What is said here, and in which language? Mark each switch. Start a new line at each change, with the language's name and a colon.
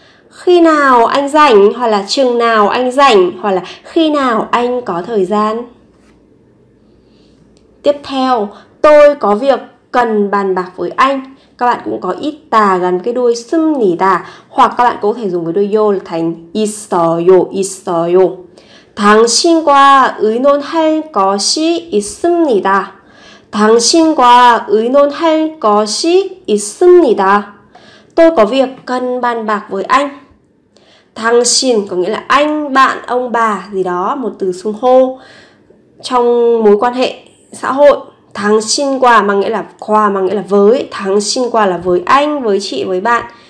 Vietnamese: Khi nào anh rảnh, hoặc là chừng nào anh rảnh, hoặc là khi nào anh có thời gian. Tiếp theo, tôi có việc cần bàn bạc với anh. Các bạn cũng có 있다 gắn cái đuôi 씁니다, hoặc các bạn cũng có thể dùng với đuôi 요 thành 있어요, 있어요.
Korean: 당신과 의논할 것이 있습니다. 당신과 의논할 것이 있습니다.
Vietnamese: Tôi có việc cần bàn bạc với anh. 당신 có nghĩa là anh, bạn, ông, bà gì đó, một từ xưng hô trong mối quan hệ xã hội. 당신과 mà nghĩa là qua, mà nghĩa là với. 당신과 là với anh, với chị, với bạn.